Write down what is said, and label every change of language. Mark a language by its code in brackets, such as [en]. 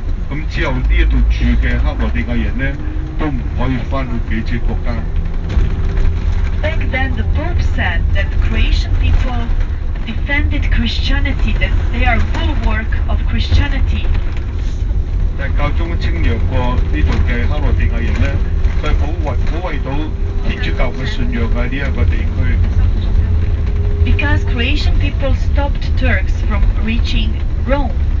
[yue] 咁之後呢度住嘅克羅地亞人呢，都唔可以翻到幾隻國家。 [en] Back then, the Pope said that Croatian people defended Christianity, that they are bulwark of Christianity. [yue] 但教宗清揚過呢度嘅克羅地亞人呢，佢保衛到天主教嘅信仰喺呢一個地區。 [en] Because Croatian people stopped Turks from reaching Rome.